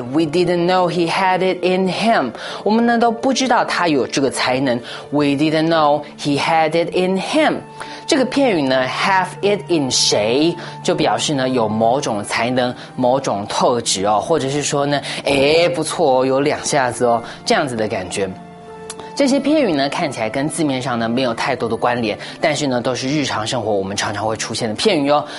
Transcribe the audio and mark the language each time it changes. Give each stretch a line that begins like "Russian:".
English: We didn't know he had it in him.
Chinese: 我们呢都不知道他有这个才能。
English: We didn't know he had it in him.
Chinese: 这个片语呢 ，
English: have it in
Chinese: 谁，就表示呢有某种才能、某种特质哦，或者是说呢，哎，不错哦，有两下子哦，这样子的感觉。这些片语呢看起来跟字面上呢没有太多的关联，但是呢都是日常生活我们常常会出现的片语哦。